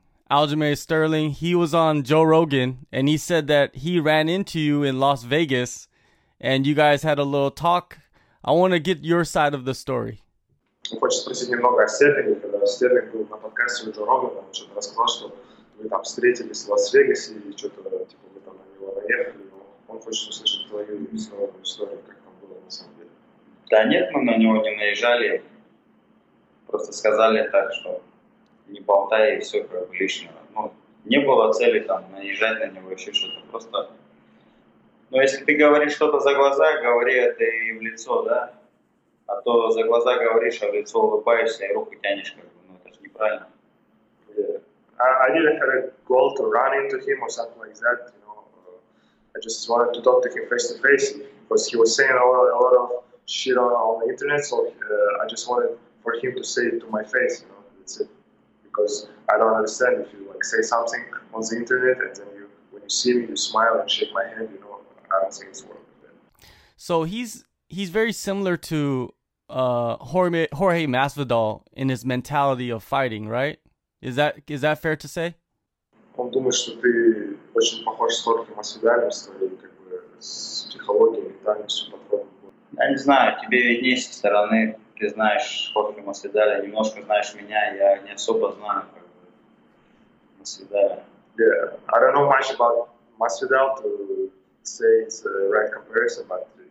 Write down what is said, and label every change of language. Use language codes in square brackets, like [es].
[en] Aljamain Sterling, he was on Joe Rogan, and he said that he ran into you in Las Vegas, and you guys had a little talk. I want to get your side of the story. [ru] Я хочу спросить немного о Стерлинге, когда Стерлинг был на подкасте у Джо Рогана, он что-то рассказал, что вы там встретились в Лас-Вегасе и что-то, типа, вы там на него наехали, но он хочет услышать твою историю, как там было на самом деле. Да нет, мы на него не наезжали, просто сказали так, что не болтай и все как бы лишнего. Ну, не было цели там наезжать на него, еще что-то, просто... Ну, если ты говоришь что-то за глаза, говори это и в лицо, да? А то за глаза говоришь, а в лицо улыбаешься и руку тянешь, как бы, ну это же неправильно. [en] Yeah. I didn't have a goal to run into him or something like that, you know. I just wanted to talk to him face to face because he was saying a lot of shit on the internet, so I just wanted for him to say it to my face, you know, that's it. Because I don't understand if you like say something on the internet and then you when you see me you smile and shake my hand, you know, I don't think it's worth it. So he's very similar to Jorge Masvidal in his mentality of fighting, right? Is that fair to say? [ru] Он думает, что ты очень похож с Хорхе Масвидалем, с психологией, ментальностью, подходом. Я не знаю, тебе виднее со стороны. Ты знаешь Хорхе Масвидаля, немножко знаешь меня, я не особо знаю Масвидаля. [en] Yeah, I don't know much about Masvidal to say it's a right comparison, but